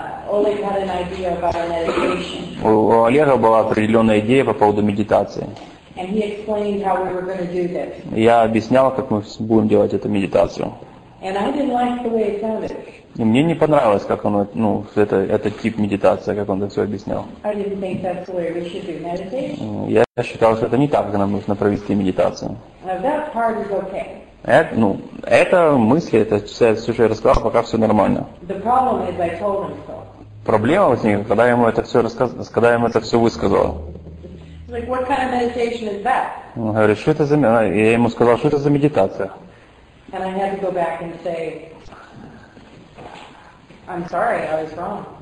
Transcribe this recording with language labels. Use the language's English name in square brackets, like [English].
[English] Oleg had an idea about meditation. [Russian] У Олега была определенная идея по поводу медитации. [English] And he explained how we were going to do this. [Russian] Я объяснял, как мы будем делать эту медитацию. [English] And I didn't like the way it sounded. [Russian] И мне не понравилось, как оно, ну, это тип медитации, как он это все объяснял. [English] I didn't think that's the way we should do meditation. [Russian] Я считал, что это не так, как нам нужно провести медитацию. [English] Now that part is okay. [Russian] Это мысли, это все, что я рассказал, пока все нормально. [English] The problem is I told him so. [Russian] Проблема возникла, когда я ему это все рассказал, когда я ему это все высказал. [English] Like, what kind of meditation is that? [Russian] Он говорит, что это за, я ему сказал, что это за медитация. [English] And I had to go back and say, I'm sorry, I was wrong.